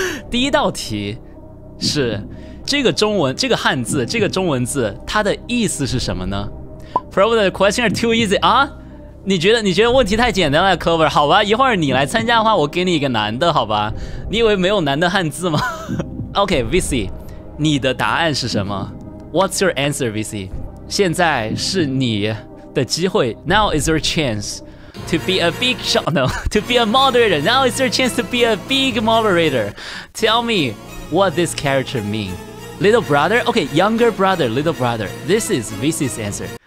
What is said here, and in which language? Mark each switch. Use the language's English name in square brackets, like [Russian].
[Chinese] 第一道题是 这个汉字,这个中文字 它的意思是什么呢? [English] Probably the question is too easy, 啊? [Chinese] 你觉得问题太简单了, Clover? 好吧, 一会儿你来参加的话, 我给你一个难的, 好吧? 你以为没有难的汉字吗?Okay, VC, 你的答案是什么? [English] What's your answer, VC? [Chinese] 现在是你的机会, [English] now is your chance to be a big shot, no, to be a moderator. Now it's your chance to be a big moderator. Tell me what this character mean. Little brother? Okay, younger brother, little brother. This is VC's answer.